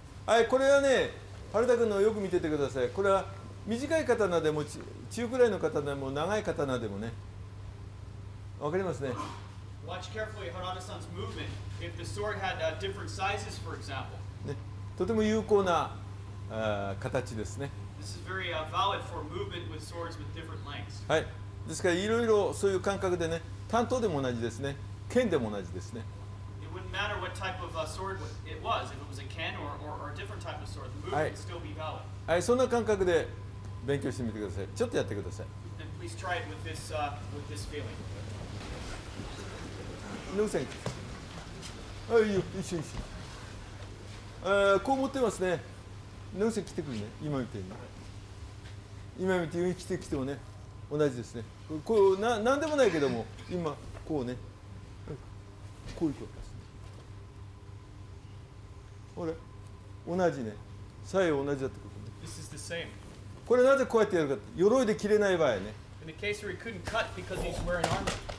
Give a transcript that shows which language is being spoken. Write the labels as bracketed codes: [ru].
[ja] はい、これはね、春田君のよく見ててください。これは短い刀でも中くらいの刀でも長い刀でもね、わかりますね。 [en] Watch carefully Harada-san's movement. If the sword had different sizes, for example. [ja] ね、とても有効な形ですね。 [en] This is very valid for movement with swords with different lengths. [ja] はい。ですからいろいろそういう感覚でね、短刀でも同じですね、剣でも同じですね。 [en] It wouldn't matter what type of sword it was. If it was a ken or a different type of sword, the movement would still be valid. [ja] はい、そんな感覚で勉強してみてください。ちょっとやってください。 [en] Then please try it with this, with this feeling. [ja] 野口さん、あ、いいよ、一緒一緒、こう持ってますね。野口さん来てくるね、今見てるね、今見て、来てきてもね、同じですね。こう、なんでもないけども、今、こうね、こういくわけですね。あれ、同じね、左右同じだってことね。 [en] This is the same. [ja] これなぜこうやってやるかって、鎧で切れない場合ね。 [en] In the case where he couldn't cut because he's wearing armor.